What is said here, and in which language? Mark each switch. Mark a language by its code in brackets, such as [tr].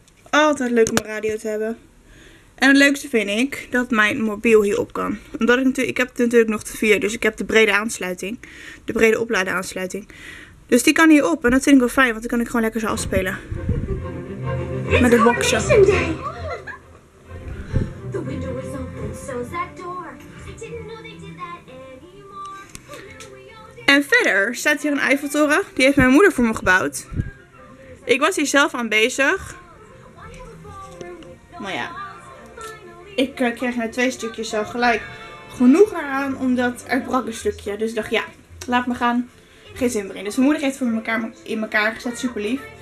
[nl] Altijd leuk om een radio te hebben. En het leukste vind ik. Dat mijn mobiel hierop kan. Omdat ik heb het natuurlijk nog te vier. Dus ik heb de brede aansluiting. De brede opladeraansluiting. Dus die kan hier op. En dat vind ik wel fijn. Want dan kan ik gewoon lekker zo afspelen. It's met de boxen. [en] The window is open. So is that door. I didn't know they did that anymore. [nl] En verder staat hier een Eiffeltoren. Die heeft mijn moeder voor me gebouwd. Ik was hier zelf aan bezig. Maar ja. Ik kreeg na twee stukjes al gelijk genoeg eraan. Omdat er brak een stukje. Dus ik dacht, ja, laat me gaan. Geen zin meer in. Dus mijn moeder heeft voor elkaar in elkaar gezet. Super lief.